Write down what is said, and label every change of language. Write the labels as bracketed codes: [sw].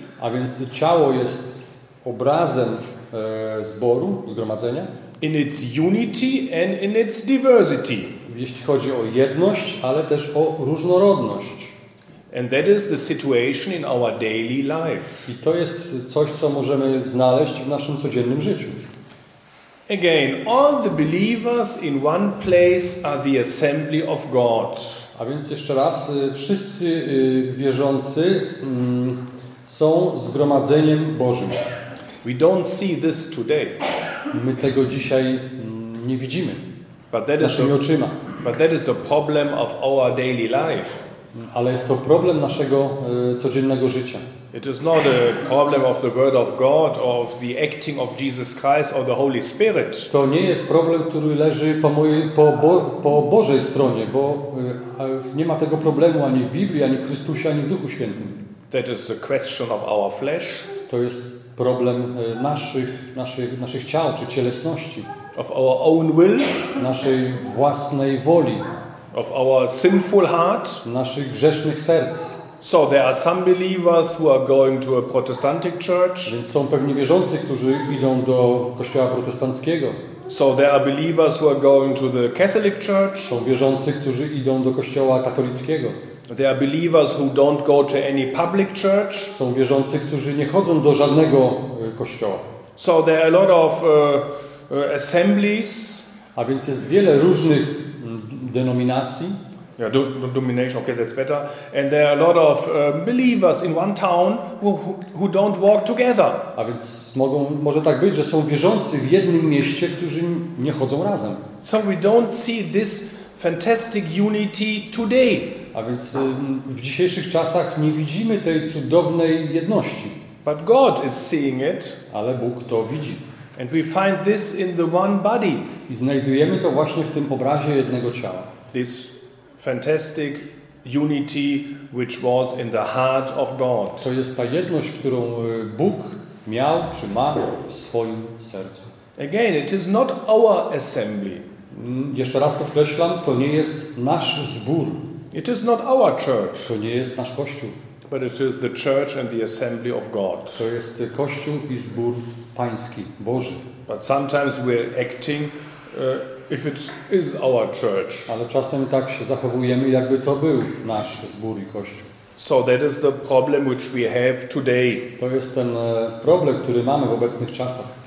[pl] A więc ciało jest obrazem zboru, zgromadzenia. [en] In its unity and in its diversity. [pl] Jeśli chodzi o jedność, ale też o różnorodność. [en] And that is the situation in our daily life. [pl] I to jest coś, co możemy znaleźć w naszym codziennym życiu. [en] Again, all the believers in one place are the assembly of God. [pl] A więc jeszcze raz, wszyscy wierzący są zgromadzeniem Bożym. [en] We don't see this today. [pl] My tego dzisiaj nie widzimy naszymi oczyma. [en] But that is a problem of our daily life. [pl] Ale jest to problem naszego codziennego życia. [en] It is not a problem of the word of God or of the acting of Jesus Christ or the Holy Spirit. [pl] To nie jest problem, który leży po Bożej stronie, bo nie ma tego problemu ani w Biblii, ani w Chrystusie, ani w Duchu Świętym. [en] That is a question of our flesh. [pl] To jest problem naszych ciał czy cielesności, [en] of our own will, [pl] naszej własnej woli, [en] of our sinful heart, [pl] naszych grzesznych serc. [en] So there are some believers who are going to a Protestantic church. [pl] Więc są pewni wierzący, którzy idą do kościoła protestanckiego. [en] So there are believers who are going to the Catholic church. [pl] Są wierzący, którzy idą do kościoła katolickiego. [en] There are believers who don't go to any public church. [pl] Są wierzący, którzy nie chodzą do żadnego kościoła. [en] So there are a lot of assemblies. [pl] A więc jest wiele różnych denominacji. [en] Yeah, denomination. Okay, that's better. And there are a lot of believers in one town who don't walk together. [pl] A więc może tak być, że są wierzący w jednym mieście, którzy nie chodzą razem. [en] So we don't see this fantastic unity today. [pl] A więc w dzisiejszych czasach nie widzimy tej cudownej jedności. [en] But God is seeing it. [pl] Ale Bóg to widzi. [en] And we find this in the one body. [pl] I znajdujemy to właśnie w tym obrazie jednego ciała. [en] This fantastic unity which was in the heart of God. [pl] To jest ta jedność, którą Bóg miał czy ma w swoim sercu. [en] Again, it is not our assembly. [pl] Jeszcze raz podkreślam, to nie jest nasz zbór. [en] It is not our church. [pl] To nie jest nasz kościół. [en] But it is the church and the assembly of God. [pl] To jest kościół i zbór pański, Boży. [en] But sometimes we are acting if it is our church. [pl] Ale czasem tak się zachowujemy, jakby to był nasz zbór i kościół. [en] So that is the problem which we have today. [pl] To jest ten problem, który mamy w obecnych czasach.